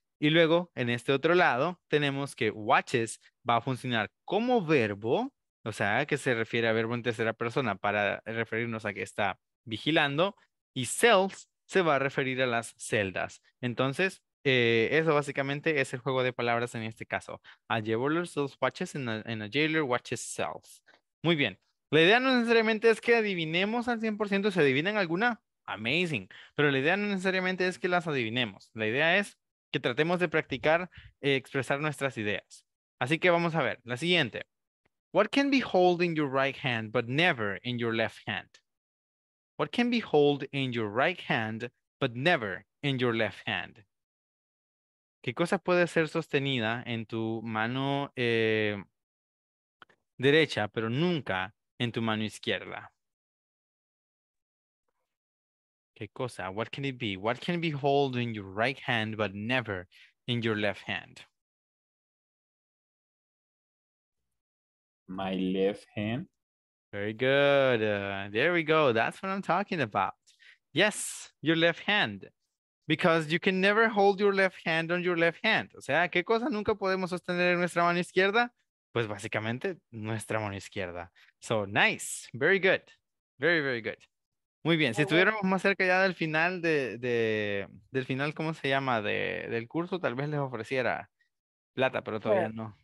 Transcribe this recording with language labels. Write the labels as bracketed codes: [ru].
[es] Y luego, en este otro lado, tenemos que watches va a funcionar como verbo. O sea, que se refiere a verbo en tercera persona para referirnos a que está vigilando. Y cells se va a referir a las celdas. Entonces, eso básicamente es el juego de palabras en este caso. [en] A jeweler sells watches and a jailer watches cells. [es] Muy bien. La idea no necesariamente es que adivinemos al 100%. ¿Se adivinan alguna? Amazing. Pero la idea no necesariamente es que las adivinemos. La idea es que tratemos de practicar expresar nuestras ideas. Así que vamos a ver. La siguiente. [en] What can be held in your right hand, but never in your left hand? What can be held in your right hand, but never in your left hand? [es] ¿Qué cosa puede ser sostenida en tu mano derecha, pero nunca en tu mano izquierda? ¿Qué cosa? [en] What can it be? What can be held in your right hand, but never in your left hand? My left hand. Very good. There we go. That's what I'm talking about. Yes, your left hand. Because you can never hold your left hand on your left hand. [es] O sea, ¿qué cosa nunca podemos sostener en nuestra mano izquierda? Pues básicamente nuestra mano izquierda. [en] So nice. Very good. Very, very good. [es] Muy bien. Si estuviéramos más cerca ya del final del final, ¿cómo se llama? Del curso, tal vez les ofreciera plata, pero todavía no.